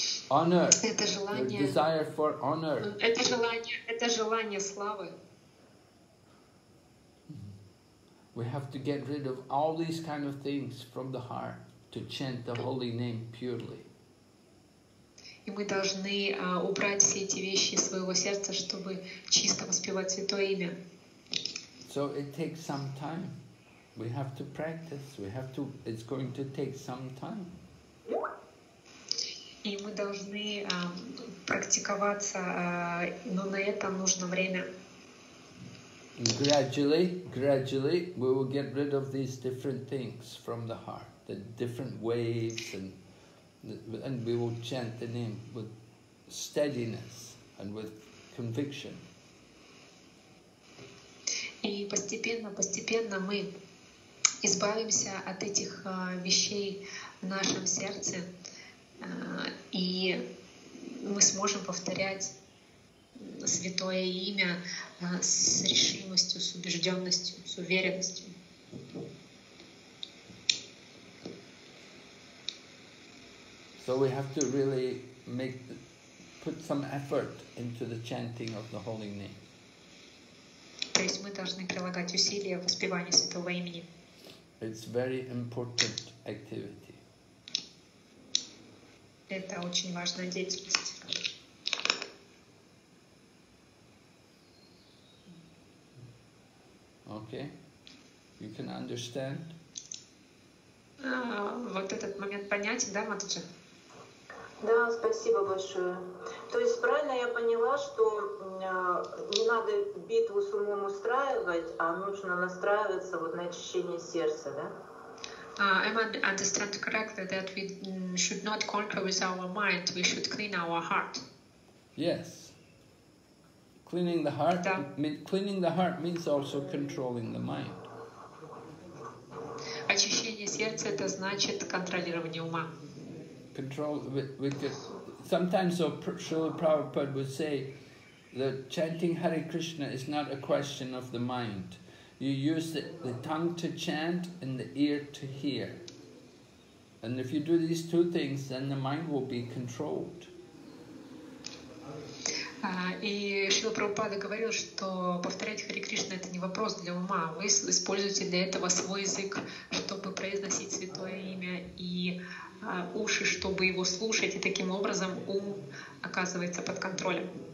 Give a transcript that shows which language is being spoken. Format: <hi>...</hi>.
<en>Honor.</en> <ru>Это желание.</ru> <en>Desire for honor.</en> <ru>Это желание славы.</ru> <en>We have to get rid of all these kind of things from the heart to chant the holy name purely.</en> <ru>И мы должны убрать все эти вещи из своего сердца, чтобы чисто воспевать Святое Имя.</ru> <en>So it takes some time. We have to practice. We have to. It's going to take some time.</en> <ru>И мы должны практиковаться, но на это нужно время.</ru> <en>Gradually, gradually, we will get rid of these different things from the heart, the different waves, and we will chant the name with steadiness and with conviction.</en> <ru>И постепенно, постепенно мы избавимся от этих вещей в нашем сердце, и мы сможем повторять Святое Имя с решимостью, с убежденностью, с уверенностью.</ru> <en>So we have to really make put some effort into the chanting of the holy name.</en> <ru>То есть мы должны прилагать усилия в воспевании Святого Имени.</ru> <en>It's very important activity.</en> <ru>Это очень важная деятельность.</ru> <en>Okay, you can understand.</en> <ru>Вот этот момент понятен, да, Матаджи? Да, спасибо большое. То есть правильно я поняла, что не надо битву с умом устраивать, а нужно настраиваться вот на очищение сердца, да?</ru> <en>Am I understand correctly that we should not conquer with our mind, we should clean our heart? Yes. Cleaning the heart. Cleaning the heart means also controlling the mind.</en> <ru>Очищение сердца — это значит контролирование ума.</ru> <en>Control. Sometimes Srila Prabhupada would say that chanting Hare Krishna is not a question of the mind. You use the tongue to chant and the ear to hear. And if you do these two things, then the mind will be controlled.</en> <ru>И Шрила Прабхупада говорил, что повторять Хари Кришна — это не вопрос для ума. Вы используете для этого свой язык, чтобы произносить Святое Имя, и уши, чтобы его слушать, и таким образом ум оказывается под контролем.</ru>